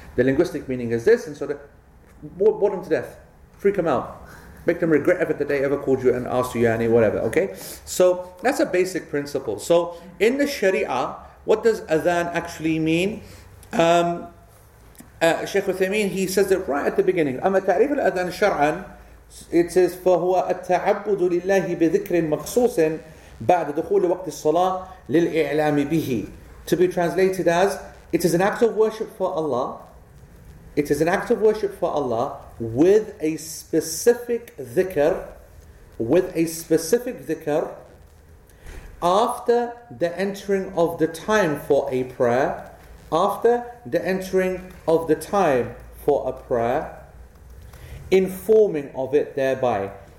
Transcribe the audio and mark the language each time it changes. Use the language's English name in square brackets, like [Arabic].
[English] The linguistic meaning is this," and so they bore them to death, freak them out, make them regret ever that they ever called you and asked you any whatever. Okay, so that's a basic principle. So in the Sharia, what does adhan actually mean? Sheikh Uthaymeen, he says it right at the beginning. [Arabic] أما تعريف الأذان شرعا, [English] it says [Arabic] فهو التعبد لله بذكر مخصوص بعد دخول وقت الصلاة للإعلام به. [English] To be translated as, it is an act of worship for Allah. It is an act of worship for Allah with a specific ذكر, with a specific ذكر, after the entering of the time for a prayer. After the entering of the time for a prayer, informing of it thereby.